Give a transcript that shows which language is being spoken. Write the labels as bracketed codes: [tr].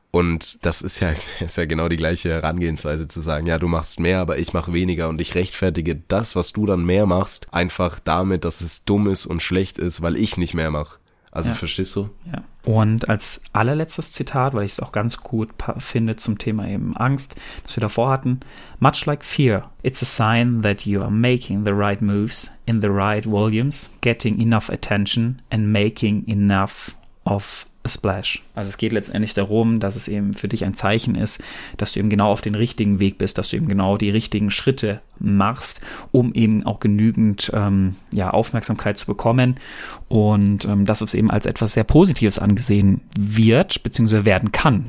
[de] Und das ist ja genau die gleiche Herangehensweise zu sagen, ja, du machst mehr, aber ich mache weniger und ich rechtfertige das, was du dann mehr machst, einfach damit, dass es dumm ist und schlecht ist, weil ich nicht mehr mache. Also verstehst du? Ja. Und als allerletztes Zitat, weil ich es auch ganz gut finde zum Thema eben Angst, das wir davor hatten. [en] Much like fear, it's a sign that you are making the right moves in the right volumes, getting enough attention and making enough of a splash. [de] Also es geht letztendlich darum, dass es eben für dich ein Zeichen ist, dass du eben genau auf den richtigen Weg bist, dass du eben genau die richtigen Schritte machst, um eben auch genügend Aufmerksamkeit zu bekommen und dass es eben als etwas sehr Positives angesehen wird bzw. werden kann.